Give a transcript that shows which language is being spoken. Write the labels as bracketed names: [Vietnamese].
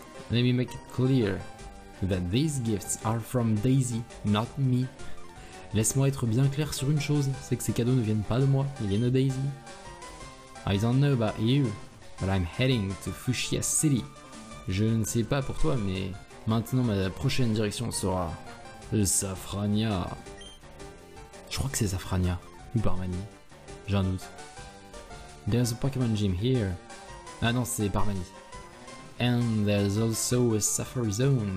[English] Let me make it clear that these gifts are from Daisy, not me. [French] Laisse-moi être bien clair sur une chose, c'est que ces cadeaux ne viennent pas de moi, ils viennent de Daisy. [English] I don't know about you, but I'm heading to Fuchsia City. [French] Je ne sais pas pour toi, mais maintenant ma prochaine direction sera Safrania. Je crois que c'est Safrania, ou Barmani. J'ai un doute. [English] There's a Pokémon gym here. [French] Ah non, c'est Barmani. [English] And there's also a Safari Zone.